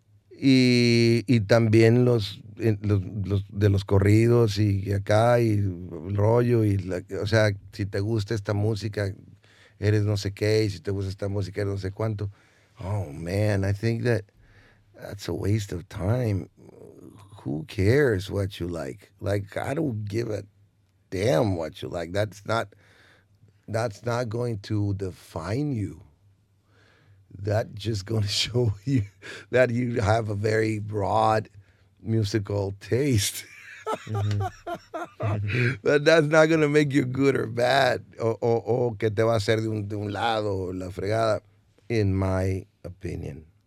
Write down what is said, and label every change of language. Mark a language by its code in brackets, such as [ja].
[es] Y también los de los corridos y acá y el rollo y la, o sea, si te gusta esta música eres no sé qué, y si te gusta esta música eres no sé cuánto. [en] Oh man, I think that's a waste of time. Who cares what you like? Like, I don't give a damn what you like. That's not going to define you. That just gonna show you that you have a very broad musical taste. But that's not gonna make you good or bad. [es] O que te va a hacer de un lado la fregada, [en] in my opinion.